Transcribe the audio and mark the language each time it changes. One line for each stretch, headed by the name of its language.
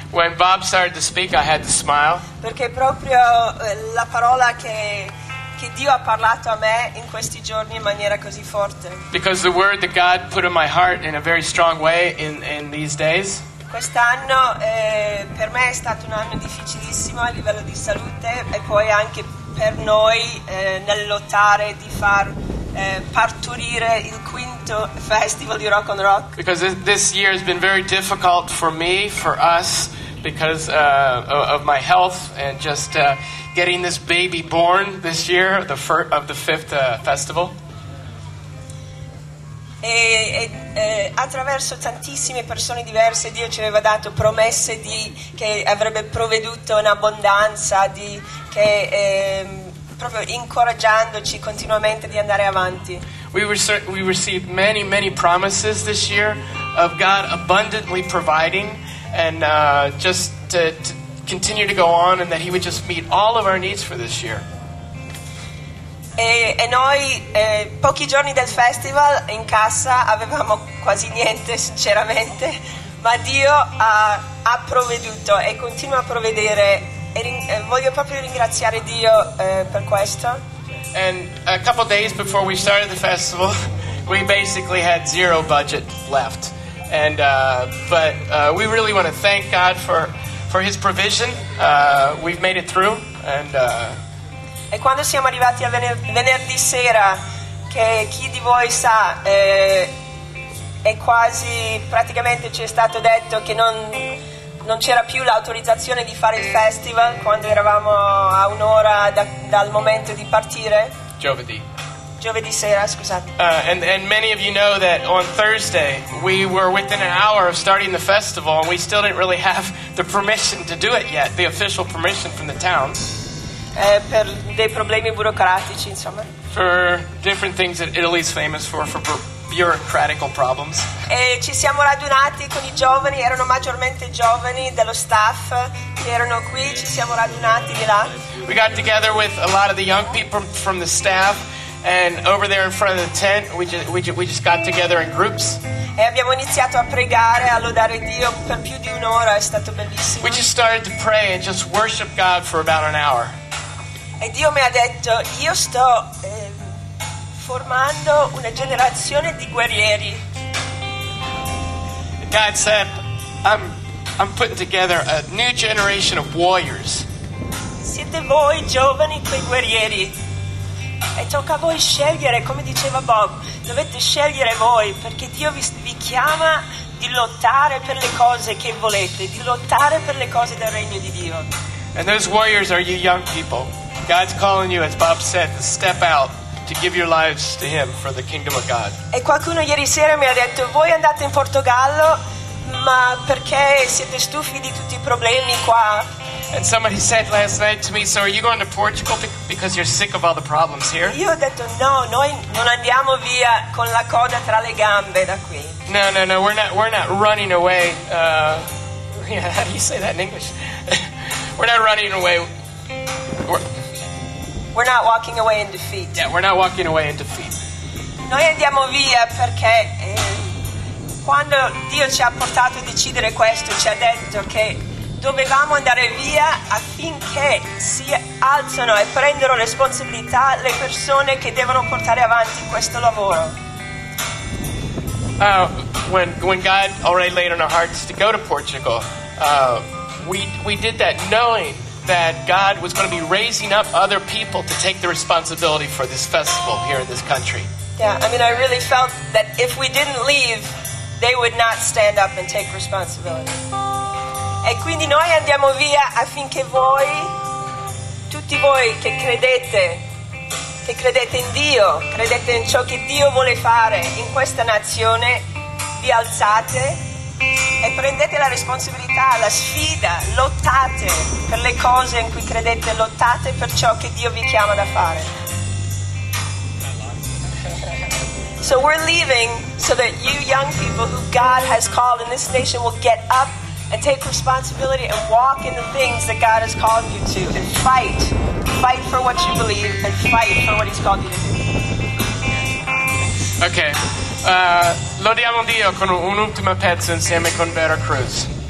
English: When Bob started to speak, I had to smile.
Italian: Perché proprio la parola che Dio ha parlato a me in questi giorni in maniera così forte.
English: Because the word that God put in my heart in a very strong way in these days.
Italian: Quest'anno per me è stato un anno difficilissimo a livello di salute e poi anche per noi nel lottare di far partorire il quinto festival di Rock on the Rock.
English: Because this year has been very difficult for me, for us, because of my health and just getting this baby born this year, the fifth festival.
Italian: E attraverso tantissime persone diverse Dio ci aveva dato promesse di che avrebbe provveduto in abbondanza, di che proprio incoraggiandoci continuamente di andare avanti.
English: We received many, many promises this year of God abundantly providing and just to continue to go on and that He would just meet all of our needs for this year.
Italian: E noi pochi giorni del festival in cassa avevamo quasi niente sinceramente, ma Dio ha provveduto e continua a provvedere e voglio proprio ringraziare Dio per questo.
English: And a couple days before we started the festival we basically had zero budget left and but we really want to thank God for His provision. We've made it through and
Italian: e quando siamo arrivati a venerdì sera, che chi di voi sa, è quasi praticamente ci è stato detto che non c'era più l'autorizzazione di fare il festival quando eravamo a un'ora dal momento di partire. Giovedì sera, scusate.
English: And many of you know that on Thursday we were within an hour of starting the festival and we still didn't really have the permission to do it yet, the official permission from the town.
Italian: Per dei problemi burocratici, insomma.
English: For different things that Italy's famous for bureaucratical problems.
Italian: E ci siamo radunati con i giovani, erano maggiormente giovani dello staff che erano qui, ci siamo radunati di là.
English: We got together with a lot of the young people from the staff and over there in front of the tent we just got together in groups.
Italian: E abbiamo iniziato a pregare, a lodare Dio per più di un'ora, è stato bellissimo.
English: We just started to pray and just worship God for about an hour.
Italian: E Dio mi ha detto, io sto formando una generazione di guerrieri.
English: God said, I'm putting together a new generation of warriors.
Italian: Siete voi giovani quei guerrieri. E tocca a voi scegliere, come diceva Bob, dovete scegliere voi, perché Dio vi chiama di lottare per le cose che volete, di lottare per le cose del regno di Dio.
English: And those warriors are you young people. God's calling you, as Bob said, to step out, to give your lives to Him for the kingdom of God.
Italian: E qualcuno ieri sera mi ha detto, voi andate in Portogallo, ma perché siete stufi di tutti i problemi qua?
English: And somebody said last night to me, so are you going to Portugal because you're sick of all the problems here?
Italian: Io ho detto, no, noi non andiamo via con la coda tra le gambe da qui.
English: No, we're not running away. How do you say that in English? We're not running away. We're not walking away in defeat. Yeah, we're not walking away in defeat.
Italian: Noi andiamo via perché quando Dio ci ha portato a decidere questo, ci ha detto che dovevamo andare via affinché si alzano e prendano responsabilità le persone che devono portare avanti questo lavoro.
English: When God already laid on our hearts to go to Portugal, we did that knowing that God was going to be raising up other people to take the responsibility for this festival here in this country. Yeah, I mean, I really felt that if we didn't leave, they would not stand up and take responsibility.
Italian: E quindi noi andiamo via affinché voi, tutti voi che credete in Dio, credete in ciò che Dio vuole fare in questa nazione, vi alzate e prendete la responsabilità, la sfida, lottate per le cose in cui credete, lottate per ciò che Dio vi chiama da fare.
English: So we're leaving so that you young people who God has called in this nation will get up and take responsibility and walk in the things that God has called you to and fight. Fight for what you believe and fight for what He's called you to do. Okay.
Italian: Lodiamo Dio con un'ultima pezzo insieme con Vera Cruz.